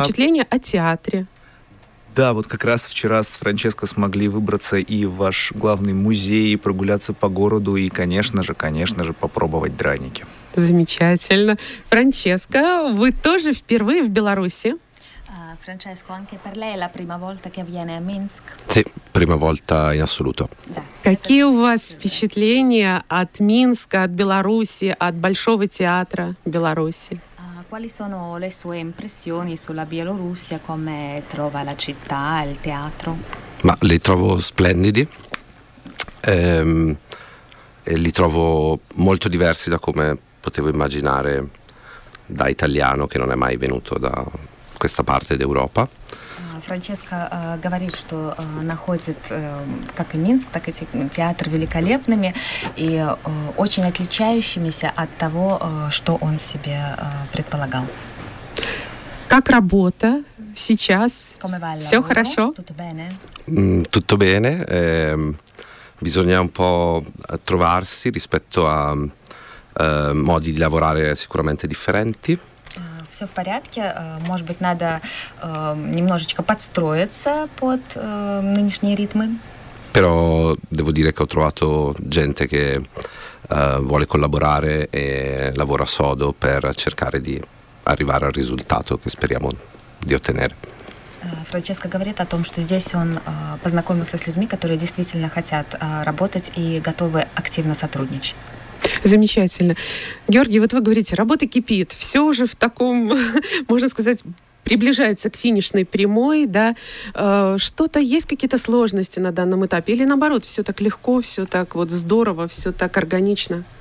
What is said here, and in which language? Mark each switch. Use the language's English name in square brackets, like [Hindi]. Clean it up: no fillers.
[Russian] Впечатление о театре. Да, вот как раз вчера с Франческо смогли выбраться и в ваш главный музей, и прогуляться по городу, и, конечно же, попробовать драники. Замечательно. Франческо, вы тоже впервые в Беларуси? [Italian] Франческо, anche per lei è la prima volta che viene a Minsk? Sì, prima volta in assoluto. [Russian] Какие у вас впечатления от Минска, от Беларуси, от Большого театра Беларуси? [Italian] Quali sono le sue impressioni sulla Bielorussia, come trova la città, il teatro? Ma li trovo splendidi. E li trovo molto diversi da come potevo immaginare da italiano che non è mai venuto da questa parte d'Europa. Франческо говорит, что находит как и Минск, так и театры великолепными и очень отличающимися от того, что он себе предполагал. [Russian] Как работа сейчас? [Italian] Come va il lavoro? [Russian] Все хорошо? [Italian] Tutto bene? Tutto bene. Bisogna un po' trovarsi rispetto a modi di lavorare sicuramente differenti. [Russian] Все в порядке. Может быть, надо немножечко подстроиться под нынешние ритмы. [Italian] Però devo dire che ho trovato gente che vuole collaborare e lavora sodo per cercare di arrivare al risultato che speriamo di ottenere. [Russian] Франческо говорит о том, что здесь он познакомился с людьми, которые действительно хотят работать и готовы активно сотрудничать. Замечательно. Георгий, вот вы говорите, работа кипит, все уже в таком, можно сказать, приближается к финишной прямой, да, что-то есть, какие-то сложности на данном этапе, или наоборот, все так легко, все так вот здорово, все так органично?